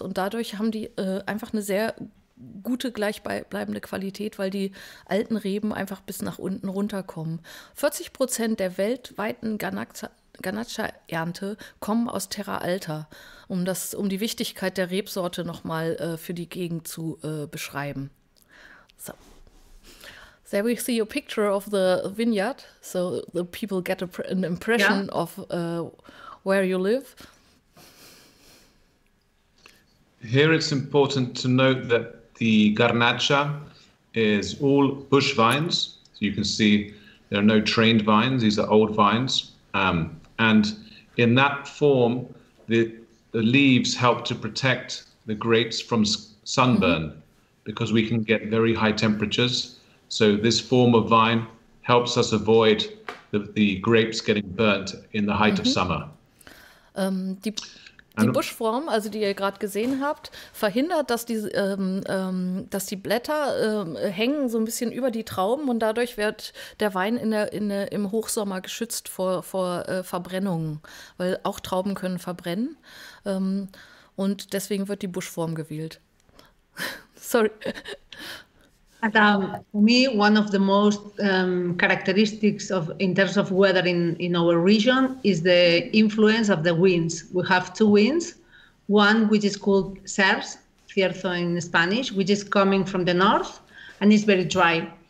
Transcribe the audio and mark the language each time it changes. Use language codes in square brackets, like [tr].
[de] Und dadurch haben die einfach eine sehr gute, gleichbleibende Qualität, weil die alten Reben einfach bis nach unten runterkommen. 40% der weltweiten Garnatxa-Ernte kommen aus Terra Alta, um die Wichtigkeit der Rebsorte nochmal für die Gegend zu beschreiben. [en] So. So we see a picture of the vineyard, so the people get an impression of where you live. Here it's important to note that the Garnatxa is all bush vines. So you can see there are no trained vines, these are old vines. And in that form, the leaves help to protect the grapes from sunburn because we can get very high temperatures. So this form of vine helps us avoid the grapes getting burnt in the height of summer. [de] Die Buschform, also die ihr gerade gesehen habt, verhindert, dass die Blätter hängen so ein bisschen über die Trauben und dadurch wird der Wein im Hochsommer geschützt vor Verbrennungen, weil auch Trauben können verbrennen und deswegen wird die Buschform gewählt. [en] Sorry. And, for me, one of the most characteristics of in terms of weather in our region is the influence of the winds. We have two winds, one which is called Cers, Cierzo in Spanish, which is coming from the north and is very dry.